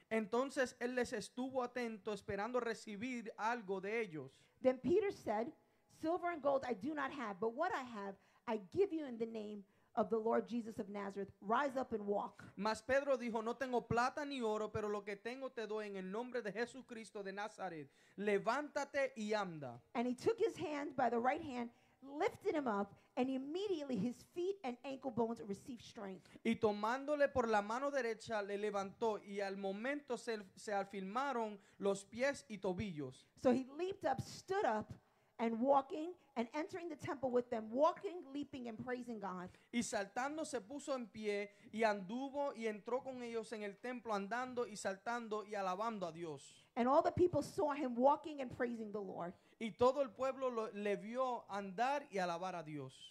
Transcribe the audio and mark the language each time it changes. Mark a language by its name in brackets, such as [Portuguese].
[Spanish] Entonces él les estuvo atento, esperando recibir algo de ellos. [English] Then Peter said, silver and gold I do not have, but what I have, I give you in the name of the Lord Jesus of Nazareth. Rise up and walk. [Spanish] Mas Pedro dijo, no tengo plata ni oro, pero lo que tengo te doy en el nombre de Jesucristo de Nazaret. Levántate y anda. [English] And he took his hand by the right hand, lifted him up, and immediately his feet and ankle bones received strength. [Spanish] Y tomándole por la mano derecha, le levantó, y al momento se afirmaron los pies y tobillos. [English] So he leaped up, stood up, and walking and entering the temple with them, walking, leaping, and praising God. [Spanish] Y saltando se puso en pie y anduvo y entró con ellos en el templo, andando y saltando y alabando a Dios. [English] And all the people saw him walking and praising the Lord. [Spanish] Y todo el pueblo le vio andar y alabar a Dios.